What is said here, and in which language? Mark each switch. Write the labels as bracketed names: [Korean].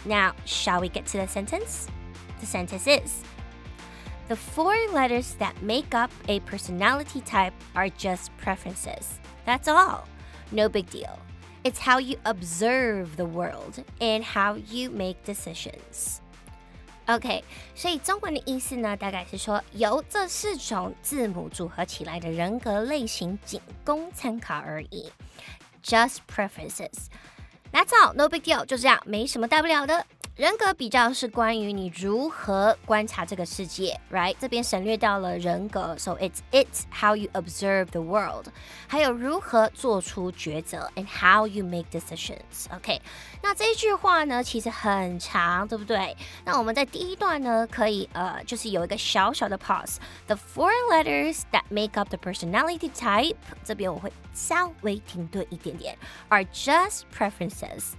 [English] Now, shall we get to the sentence? The sentence is, the four letters that make up a personality type are just preferences. That's all. No big deal. It's how you observe the world and how you make decisions. [Chinese] Okay, 所以中文的意思呢，大概是说由这四种字母组合起来的人格类型仅供参考而已。 [English] Just preferences. That's all. No big deal. [Chinese] 就这样，没什么大不了的。人格比较是关于你如何观察这个世界 ，right？这边省略掉了人格 ， [English] so it's how you observe the world， [Chinese] 还有如何做出抉择 ， [English] and how you make decisions。 [Chinese] OK， 那这句话呢，其实很长，对不对？那我们在第一段呢，可以就是有一个小小的 pause。 [English] The four letters that make up the personality type， [Chinese] 这边我会稍微停顿一点点 [English] ，are just preferences。